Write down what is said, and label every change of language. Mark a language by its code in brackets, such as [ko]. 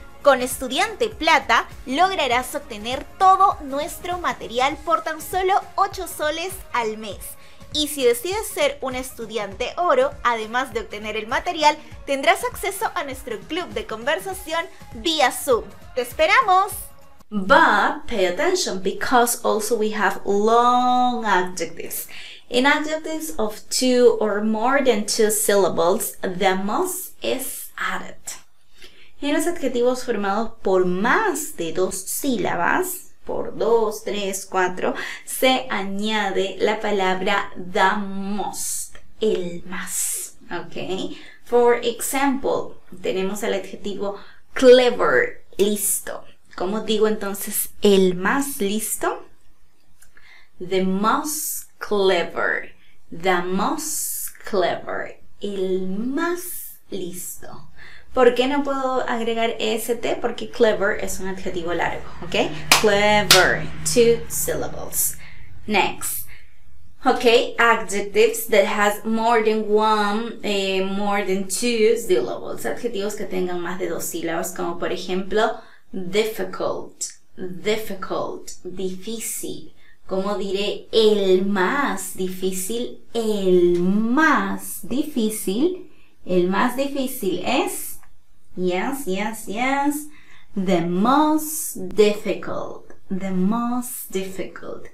[es] Con Estudiante Plata lograrás obtener todo nuestro material por tan solo 8 soles al mes. Y si decides ser un estudiante oro, además de obtener el material, tendrás acceso a nuestro club de conversación vía Zoom. ¡Te esperamos! [en] But pay attention, because also we have long adjectives. In adjectives of 2 or more than 2 syllables, the most is added. [es] En los adjetivos formados por más de 2 sílabas, por 2, 3, 4, se añade la palabra the most, el más. Okay? [en] For example, [es] tenemos el adjetivo clever, listo. ¿Cómo digo entonces el más listo? [en] The most clever. The most clever. [es] El más listo. ¿Por qué no puedo agregar EST? Porque clever es un adjetivo largo, ¿ok? Clever. [en] 2 syllables. Next. Ok, adjectives that has more than 1, more than 2 syllables. [es] Adjetivos que tengan más de 2 sílabas, como por ejemplo difficult, difficult, difícil. ¿Cómo diré el más difícil? El más difícil. El más difícil es, [en] yes, yes, yes, the most difficult, the most difficult.